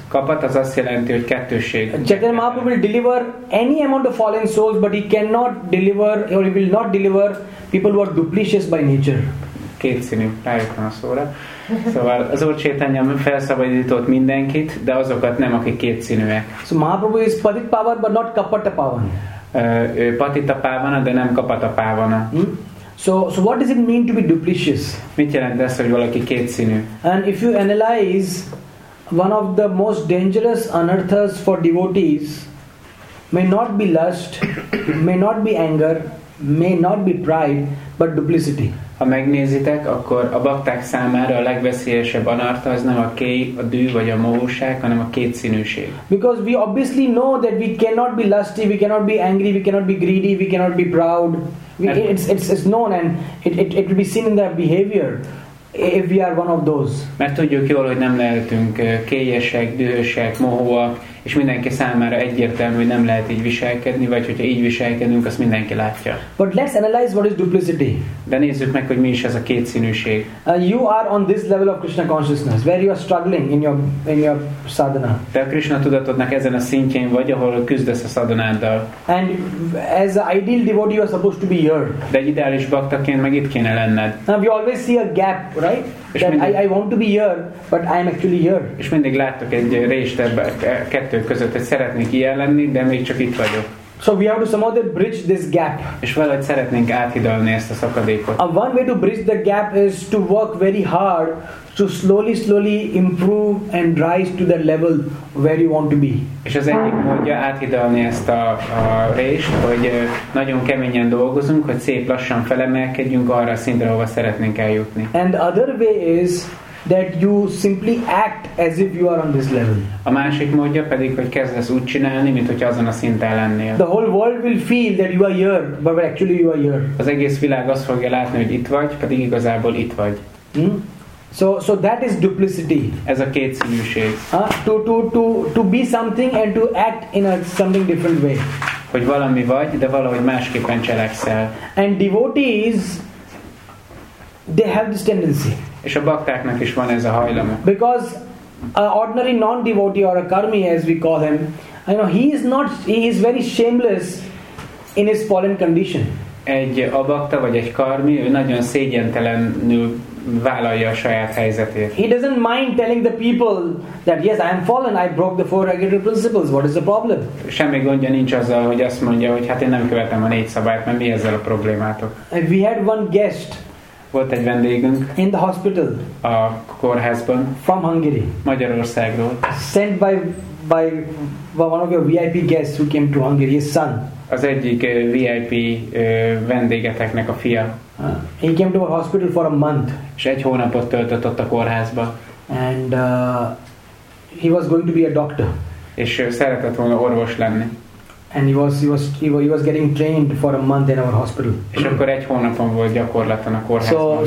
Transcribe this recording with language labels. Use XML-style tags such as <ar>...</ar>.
<hu>Kapat az azt jelenti, hogy kettőség.</hu> <en>Chaitanya Mahaprabhu will deliver any amount of fallen souls, but he cannot deliver, or he will not deliver people who are duplicious by nature.</en> <hu>Kétszínű, rájött van a szóra. Szóval az Úr Chaitanya felszabadított mindenkit, de azokat nem, akik kétszínűek.</hu> <en>So Mahaprabhu is Patita Pavana, but not Kapata Pavana.</en> <hu>Ő Patita Pavana, de nem Kapata Pavana.</hu> <en>So what does it mean to be duplicious?</en> <hu>Mit jelent ez, hogy valaki kétszínű?</hu> <en>And if you analyze one of the most dangerous anarthas for devotees may not be lust, may not be anger, may not be pride, but duplicity.</en> <hu>Ha megnézitek, akkor a bakták számára a legveszélyesebb anartha az nem a kéj, a dű vagy a mohóság, hanem a kétszínűség.</hu> <en>Because we obviously know that we cannot be lusty, we cannot be angry, we cannot be greedy, we cannot be proud. it's known and it will be seen in their behavior if we are one of those.</en> <hu>Mert tudjuk jól, hogy nem lehetünk kélyesek, dühösek, mohóak, és mindenki számára egyértelmű, hogy nem lehet így viselkedni, vagy hogyha így viselkedünk, azt mindenki látja.</hu> <en>But let's analyze what is duplicity.</en> <hu>De nézzük meg, hogy mi is ez a kétszínűség.</hu> <en>You are on this level of Krishna consciousness, where you are struggling in your sadhana.</en> <hu>Te a Krishna tudatodnak ezen a szintjén vagy, ahol küzdesz a szadonáddal.</hu> <en>And as an ideal devotee, you are supposed to be here.</en> <hu>De egy ideális baktaként meg itt kéne lenned.</hu> <en>Now you always see a gap, right? I want to be here, but I am actually here.</en> <hu>És mindig látok egy rést ebben kettő között, hogy szeretnék ilyen lenni, de még csak itt vagyok.</hu> <en>So we have to somehow bridge this gap.</en> <hu>És valahogy szeretnénk áthidalni ezt a szakadékot.</hu> <en>One way to bridge the gap is to work very hard to slowly, slowly improve and rise to the level where you want to be.</en> <hu>És az egyik módja áthidalni ezt a rést, hogy nagyon keményen dolgozunk, hogy szép lassan felemelkedjünk arra a szintre, ahova szeretnénk eljutni.</hu> <en>And the other way is that you simply act as if you are on this level.</en> <hu>A másik módja pedig, hogy kezdesz úgy csinálni, mint hogy azon a szinten lennél.</hu> <en>The whole world will feel that you are here, but actually you are here.</en> <hu>Az egész világ azt fogja látni, hogy itt vagy, pedig igazából itt vagy.</hu> <en>So that is duplicity.</en> <hu>Ez a kétszínűség.</hu> <en>To be something and to act in a something different way.</en> <hu>Hogy valami vagy, de valahogy másképpen cselekszel.</hu> <en>And devotees, they have this tendency.</en> <hu>És a baktáknak is van ez a hajlama.</hu> <en>Because an ordinary non-devotee or a karmi, as we call him, you know, he is very shameless in his fallen condition.</en> <hu>Egy abakta vagy egy karmi, ő nagyon szégyentelenül vállalja a saját helyzetét.</hu> <en>He doesn't mind telling the people that yes, I am fallen, I broke the four regulatory principles. What is the problem?</en> <hu>Semmi gondja nincs azzal, hogy azt mondja, hogy hát én nem követem a négy szabályt, mert mi ezzel a problémátok?</hu> <en>We had one guest.</en> <hu>Volt egy vendégünk.</hu> <en>In the hospital.</en> <hu>A kórházban.</hu> <en>From Hungary.</en> <hu>Magyarországról.</hu> <en>Sent by one of your VIP guests who came to Hungary, his son.</en> <hu>Az egyik VIP vendégeteknek a fia.</hu> <en>He came to a hospital for a month.</en> <hu>És egy hónapot töltött ott a kórházba.</hu> <en>And he was going to be a doctor.</en> <hu>És szeretett volna orvos lenni.</hu> <en>And he was getting trained for a month in our hospital.</en> <hu>És akkor egy hónapon volt gyakorlaton a kórházban.</hu>